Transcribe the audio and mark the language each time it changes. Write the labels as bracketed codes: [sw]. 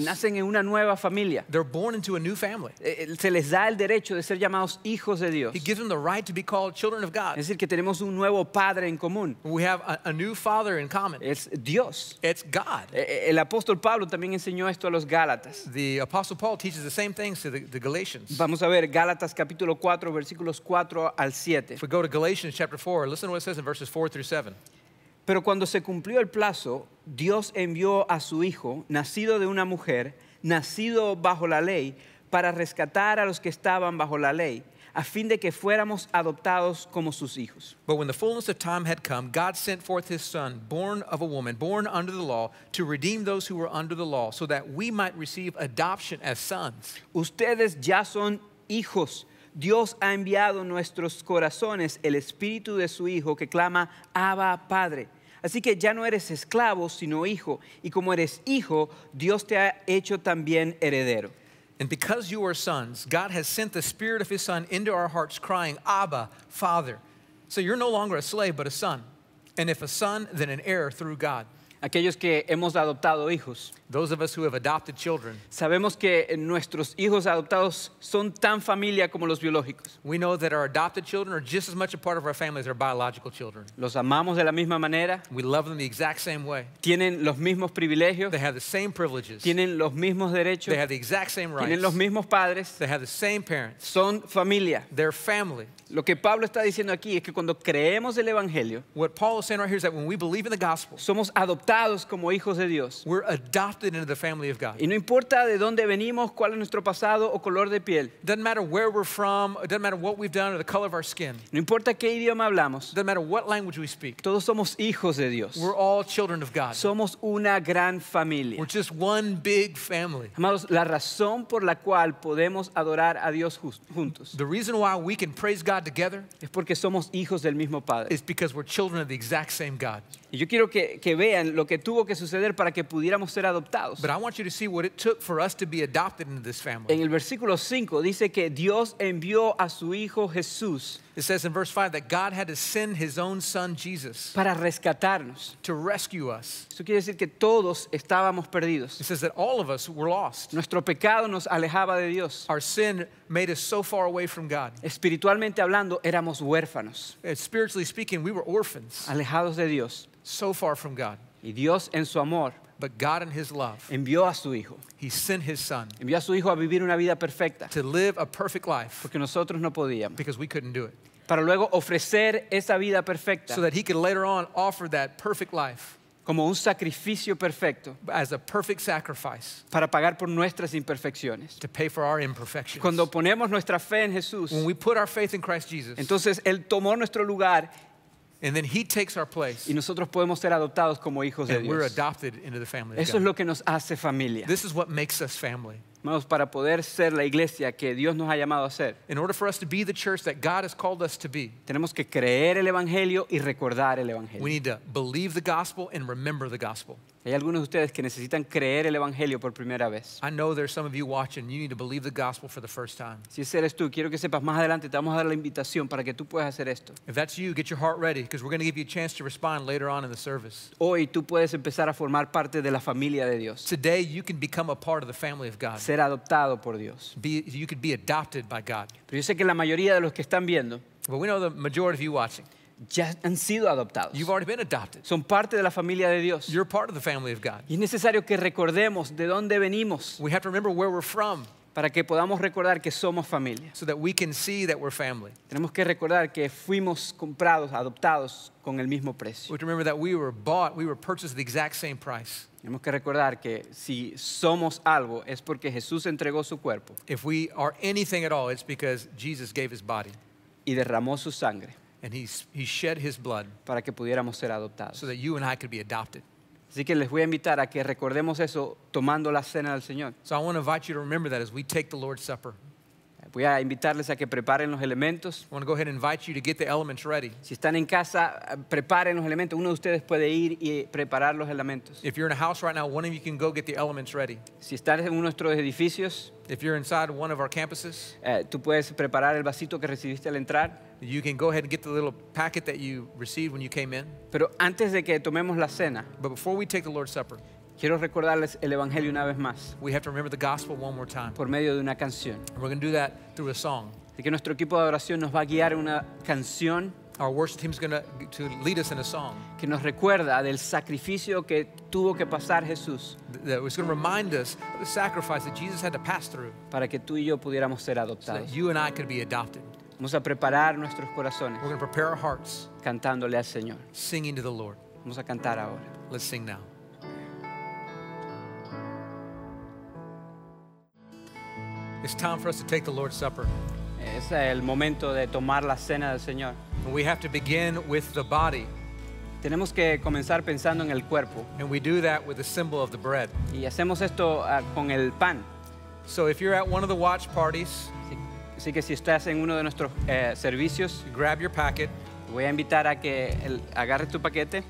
[es] nacen en una nueva familia. [en] They're born into a new family. [es] Se les da el derecho de ser llamados hijos de Dios. [en] He gives them the right to be called children of God. [es] Es decir, que tenemos un nuevo padre en común. [en] We have a new father in common. [es] Es Dios. [en] It's God. [es] El apóstol Pablo también enseñó esto a los Gálatas. [en] The apostle Paul teaches the same things to the Galatians. [es] Vamos a ver Gálatas capítulo 4 versículos 4 al 7. [en] If we go to Galatians chapter 4, listen to what it says in verses 4 through 7. [es] Pero cuando se cumplió el plazo, Dios envió a su Hijo, nacido de una mujer, nacido bajo la ley, para rescatar a los que estaban bajo la ley, a fin de que fuéramos adoptados como sus hijos. [en] But when the fullness of time had come, God sent forth his Son, born of a woman, born under the law, to redeem those who were under the law, so that we might receive adoption as sons. [es] Ustedes ya son hijos. Dios ha enviado nuestros corazones el Espíritu de su Hijo que clama, Abba, Padre. Así que ya no eres esclavo, sino hijo. Y como eres hijo, Dios te ha hecho también heredero. [en] And because you are sons, God has sent the Spirit of his Son into our hearts, crying, Abba, Father. So you're no longer a slave, but a son. And if a son, then an heir through God. [es] Aquellos que hemos adoptado hijos. [en] Those of us who have adopted children. [es] Sabemos que nuestros hijos adoptados son tan familia como los biológicos. [en] We know that our adopted children are just as much a part of our family as our biological children. [es] Los amamos de la misma manera. [en] We love them the exact same way. [es] Tienen los mismos privilegios. [en] They have the same privileges. [es] Tienen los mismos derechos. [en] They have the exact same rights. [es] Tienen los mismos padres. [en] They have the same parents. [es] Son familia. [en] They're family. [es] Lo que Pablo está diciendo aquí es que cuando creemos el evangelio, [en] what Paul is saying right here is that when we believe in the gospel, [es] somos adoptados como hijos de Dios. [en] We're adopted into the family of God. [es] Y no importa de dónde venimos, cuál es nuestro pasado o color de piel. [en] Doesn't matter where we're from, doesn't matter what we've done or the color of our skin. [es] No importa qué idioma hablamos. [en] Doesn't matter what language we speak. [es] Todos somos hijos de Dios. [en] We're all children of God. [es] Somos una gran familia. [en] We're just one big family. [es] Amados, la razón por la cual podemos adorar a Dios juntos. [en] The reason why we can praise God together [es] es porque somos hijos del mismo padre. [en] It's because we're children of the exact same God. [es] Y yo quiero que vean lo que tuvo que suceder para que pudiéramos ser adoptados. [en] But I want you to see what it took for us to be adopted into this family. [es] En el versículo 5 dice que Dios envió a su hijo Jesús. [en] It says in verse 5 that God had to send his own son Jesus [es] para rescatarnos, [en] to rescue us. [es] Eso quiere decir que todos estábamos perdidos. [en] It says that all of us were lost. [es] Nuestro pecado nos alejaba de Dios. [en] Our sin made us so far away from God. [es] Espiritualmente hablando, éramos huérfanos. [en] Spiritually speaking, we were orphans. [es] Alejados de Dios. [en] So far from God. [es] Y Dios en su amor, [en] but God in his love, [es] envió a su hijo. [en] He sent his son. [es] Envió a su hijo a vivir una vida perfecta. [en] To live a perfect life. [es] Porque nosotros no podíamos. [en] Because we couldn't do it. [es] Para luego ofrecer esa vida perfecta. [en] So that he could later on offer that perfect life. [es] Como un sacrificio perfecto. [en] As a perfect sacrifice. [es] Para pagar por nuestras imperfecciones. [en] To pay for our imperfections. [es] Cuando ponemos nuestra fe en Jesús. [en] When we put our faith in Christ Jesus. [es] Entonces él tomó nuestro lugar. [en] And then he takes our place. [es] Y nosotros podemos ser adoptados como hijos de Dios. [en] And we're adopted into the family of [es] God. Eso es lo que nos hace familia. [en] This is what makes us family. [es] Vamos, para poder ser la iglesia que Dios nos ha llamado a ser. [en] In order for us to be the church that God has called us to be. [es] Tenemos que creer el evangelio y recordar el evangelio. [en] We need to believe the gospel and remember the gospel. [es] Hay algunos de ustedes que necesitan creer el evangelio por primera vez. [en] I know there's some of you watching. You need to believe the gospel for the first time. [es] Si ese eres tú, quiero que sepas más adelante te vamos a dar la invitación para que tú puedas hacer esto. [en] If that's you, get your heart ready because we're going to give you a chance to respond later on in the service. [es] Hoy tú puedes empezar a formar parte de la familia de Dios. [en] Today you can become a part of the family of God. [es] Ser adoptado por Dios. [en] You could be adopted by God. [es] Pero yo sé que la mayoría de los que están viendo. [en] But we know the majority of you watching. [es] Ya han sido adoptados. [en] You've already been adopted. [es] Son parte de la familia de Dios. [en] You're part of the family of God. [es] Y es necesario que recordemos de dónde venimos. [en] We have to remember where we're from. [es] Para que podamos recordar que somos familia. [en] So that we can see that we're family. [es] Tenemos que recordar que fuimos comprados, adoptados con el mismo precio. [en] We have to remember that we were bought, we were purchased at the exact same price. [es] Tenemos que recordar que si somos algo es porque Jesús entregó su cuerpo. [en] If we are anything at all, it's because Jesus gave his body. [es] Y derramó su sangre. [en] And he shed his blood [es] para que pudiéramos ser adoptados. [en] So that you and I could be adopted. [es] Así que les voy a invitar a que recordemos eso tomando la cena del Señor. [en] So I want to invite you to remember that as we take the Lord's Supper. [es] Voy a invitarles a que preparen los elementos. [en] I want to go ahead and invite you to get the elements ready. [es] Si están en casa, preparen los elementos. Uno de ustedes puede ir y preparar los elementos. [en] If you're in a house right now, one of you can go get the elements ready. [es] Si están en nuestros edificios, [en] if you're inside one of our campuses, [es] tú puedes preparar el vasito que recibiste al entrar. [en] You can go ahead and get the little packet that you received when you came in. [es] Pero antes de que tomemos la cena, [en] but before we take the Lord's Supper, [es] quiero recordarles el evangelio una vez más. [en] We have to remember the gospel one more time. [es] Por medio de una canción. [en] And we're going to do that through a song. [es] Así que nuestro equipo de adoración nos va a guiar una canción. [en] Our worship team is going to lead us in a song. [es] Que nos recuerda del sacrificio que tuvo que pasar Jesús. [en] That was going to remind us of the sacrifice that Jesus had to pass through. [es] Para que tú y yo pudiéramos ser adoptados. [en] So that you and I could be adopted. [es] Vamos a preparar nuestros corazones. [en] We're going to prepare our hearts. [es] Cantándole al Señor. [en] Singing to the Lord. [es] Vamos a cantar ahora. [en] Let's sing now. It's time for us to take the Lord's Supper. [es] Es el momento de tomar la cena del Señor. [en] We have to begin with the body. [es] Tenemos que comenzar pensando en el cuerpo. [en] And we do that with the symbol of the bread. [es] Y hacemos esto con el pan. [en] So if you're at one of the watch parties, [es] así que si estás en uno de nuestros servicios, [en] grab your packet. [es] Voy a invitar a que agarres tu paquete.